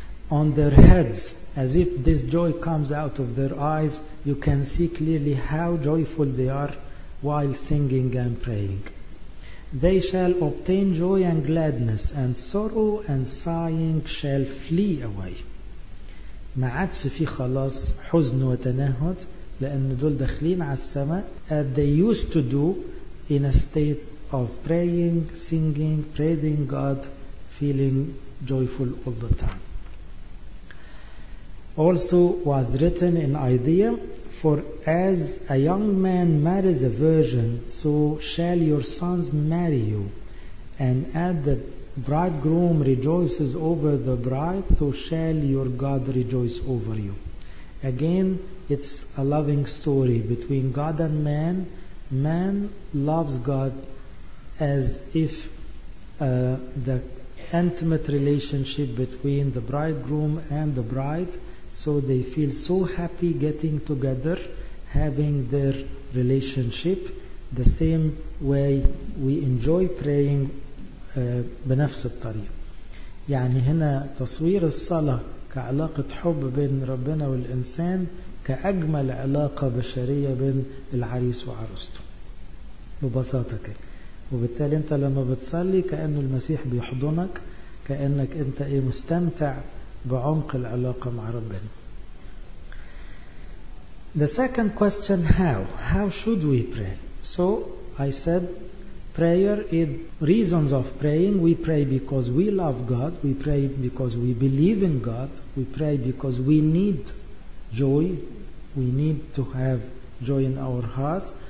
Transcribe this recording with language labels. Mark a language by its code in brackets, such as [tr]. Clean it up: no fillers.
[en] On their heads, as if this joy comes out of their eyes, you can see clearly how joyful they are while singing and praying. They shall obtain joy and gladness, and sorrow and sighing shall flee away. [ar] ما عادش في خلاص حزن وتنهد لأن دول دخلين على السماء. [en] As they used to do in a state of praying, singing, praising God, feeling joyful all the time. Also was written in Isaiah, for as a young man marries a virgin, so shall your sons marry you. And as the bridegroom rejoices over the bride, so shall your God rejoice over you. Again, it's a loving story between God and man. Man loves God as if the intimate relationship between the bridegroom and the bride. So they feel so happy getting together, having their relationship. The same way we enjoy praying [ar] بنفس الطريق. يعني هنا تصوير الصلاة كعلاقة حب بين ربنا والإنسان كأجمل علاقة بشرية بين العريس وعروسته ببساطة كده. وبالتالي أنت لما بتصلي كأنه المسيح بيحضنك، كأنك أنت إيه مستمتع بعمق العلاقة مع ربنا. [en] The second question, how should we pray? So I said prayer is reasons of praying. We pray because we love God, we pray because we believe in God, we pray because we need joy, we need to have joy in our heart.